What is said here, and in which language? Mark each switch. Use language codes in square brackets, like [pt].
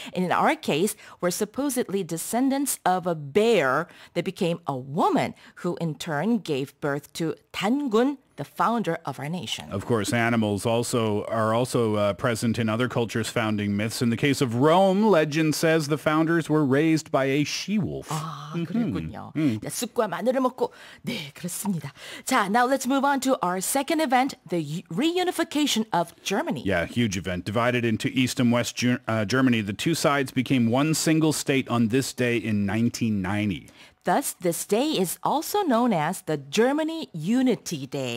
[en] And in our case, we're supposedly descendants of a bear that became a woman who in turn gave birth to Dangun, the founder of our nation. Of course, animals also are also present in other cultures' founding myths. In the case of Rome, legend says the founders were raised by a she-wolf. [ko] 그렇군요. 쑥과 마늘을 먹고, 네, 그렇습니다. [en] 자, now let's move on to our second event, the reunification of Germany. Yeah, huge event. Divided into East and West Germany, the two sides became one single state on this day in 1990. Thus, this day is also known as the Germany Unity Day.